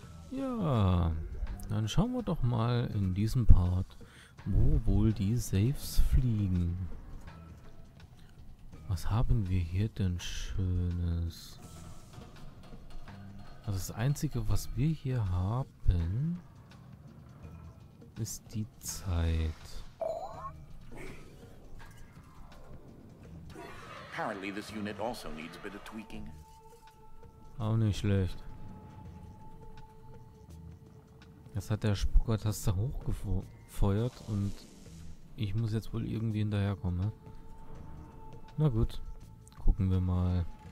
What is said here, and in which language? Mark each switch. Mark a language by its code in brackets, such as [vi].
[de] Ja, dann schauen wir doch mal in diesem Part, wo wohl die Saves fliegen. Was haben wir hier denn Schönes? Also das Einzige, was wir hier haben, ist die Zeit. [en] Apparently this unit also needs a bit of tweaking. [de] Auch nicht schlecht. Jetzt hat der Spucker-Taster hochgefeuert und ich muss jetzt wohl irgendwie hinterherkommen. Ne? Na gut, gucken wir mal.